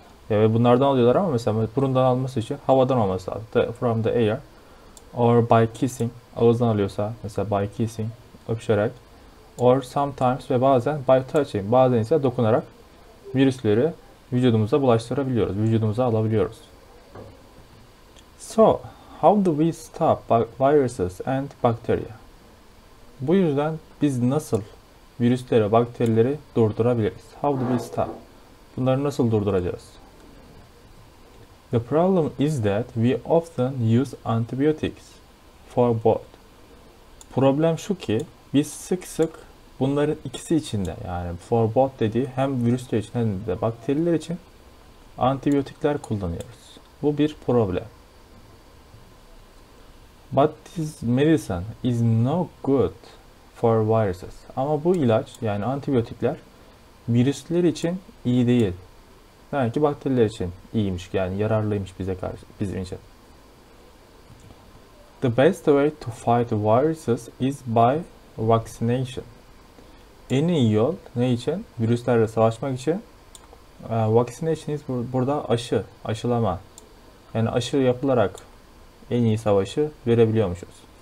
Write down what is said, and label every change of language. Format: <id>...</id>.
<tr>Evet, bunlardan alıyorlar ama mesela burundan alması için havadan olması lazım.</tr> <en>From the air or by kissing,</en> <tr>ağızdan alıyorsa mesela</tr> <en>by kissing,</en> <tr>öpüşerek.</tr> <en>Or sometimes</en> <tr>ve bazen</tr> <en>by touching,</en> <tr>bazen ise dokunarak virüsleri vücudumuza bulaştırabiliyoruz, vücudumuza alabiliyoruz.</tr> <en>So, how do we stop viruses and bacteria?</en> <tr>Bu yüzden biz nasıl virüsleri, bakterileri durdurabiliriz?</tr> <en>How do we stop?</en> <tr>Bunları nasıl durduracağız?</tr> <en>The problem is that we often use antibiotics for both.</en> <tr>Problem şu ki biz sık sık bunların ikisi içinde yani</tr> <en>for both</en> <tr>dediği hem virüsler için hem de bakteriler için antibiyotikler kullanıyoruz. Bu bir problem.</tr> <en>But this medicine is no good for viruses.</en> <tr>Ama bu ilaç yani antibiyotikler Virüsler için iyi değil. Yani ki bakteriler için iyiymiş, yani yararlıymış bize karşı, bizim için.</tr> <en>The best way to fight viruses is by vaccination.</en> <tr>En iyi yol ne için? Virüslerle savaşmak için.</tr> <en>Vaccination is</en> <tr>burada aşı, aşılama. Yani aşı yapılarak en iyi savaşı verebiliyormuşuz.</tr>